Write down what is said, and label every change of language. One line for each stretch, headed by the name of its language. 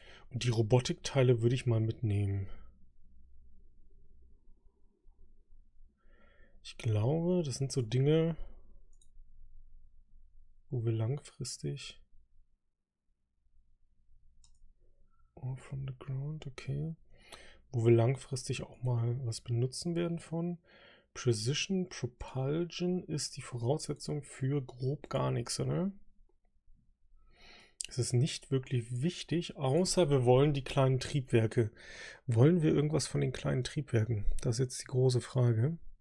German: Und die Robotikteile würde ich mal mitnehmen. Ich glaube, das sind so Dinge, wo wir langfristig.
English: All from the ground, okay.
German: Wo wir langfristig auch mal was benutzen werden von. Precision Propulsion ist die Voraussetzung für grob gar nichts, oder? Es ist nicht wirklich wichtig, außer wir wollen die kleinen Triebwerke. Wollen wir irgendwas von den kleinen Triebwerken? Das ist jetzt die große Frage.